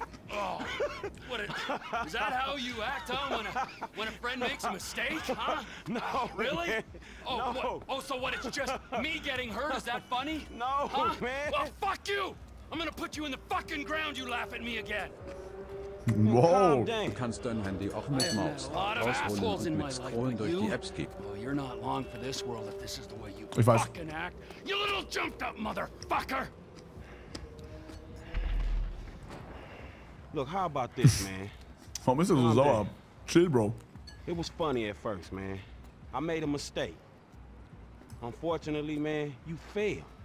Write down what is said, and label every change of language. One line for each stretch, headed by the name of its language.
English: Oh, what a, is that how you act, huh, when a friend makes a mistake, huh? No, really? Man. Oh, no. What? Oh, so what, it's just me getting hurt, is that funny? No, huh? Man. Well, fuck you! I'm gonna put you in the fucking ground, you laugh at me again. Whoa!
German: Du kannst dein Handy auch mit Maus rausholen und mit Scrollen durch die Apps gehen.
English: Well, you're not long for this world if this is the way you fucking act. You little jumped up motherfucker! Look, how about this, man? Oh, Mr. Zazar. Chill, bro. It was funny at first, man. I made a mistake. Unfortunately, man, you failed.